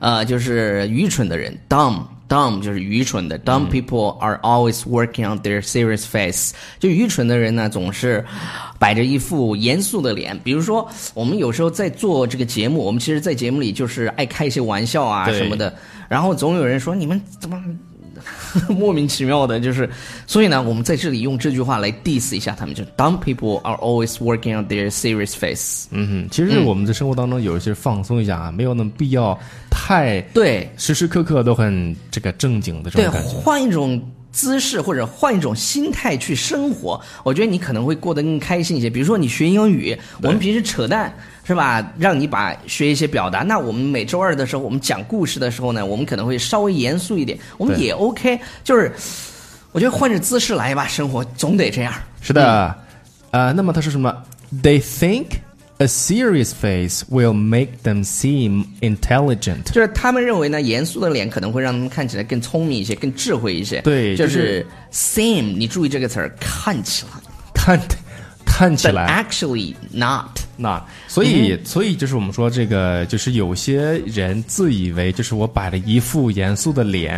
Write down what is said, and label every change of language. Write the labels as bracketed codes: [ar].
[zh] 就是愚蠢的人 [en] dumb [zh] 就是愚蠢的 [en] dumb、嗯、people are always working on their serious face. [zh] 就愚蠢的人呢，总是摆着一副严肃的脸。比如说，我们有时候在做这个节目，我们其实，在节目里就是爱开一些玩笑啊什么的，然后总有人说你们怎么莫名其妙的，就是，所以呢，我们在这里用这句话来 diss 一下他们，就 [en] dumb people are always working on their serious face。 [zh] 嗯哼，其实我们在生活当中有一些放松一下啊、嗯，没有那么必要太对，时时刻刻都很这个正经的这种感觉。对，换一种姿势或者换一种心态去生活，我觉得你可能会过得更开心一些。比如说你学英语，我们平时扯淡。是吧让你把学一些表达那我们每周二的时候我们讲故事的时候呢我们可能会稍微严肃一点我们也 OK 就是我觉得换着姿势来吧生活总得这样是的、嗯、那么他说什么 [en] They think a serious face will make them seem intelligent [zh] 就是他们认为呢严肃的脸可能会让他们看起来更聪明一些更智慧一些对就是 seem 你注意这个词看起来看起来 [en] But actually not [zh] 那所以、mm-hmm. 所以就是我们说这个就是有些人自以为就是我摆了一副严肃的脸、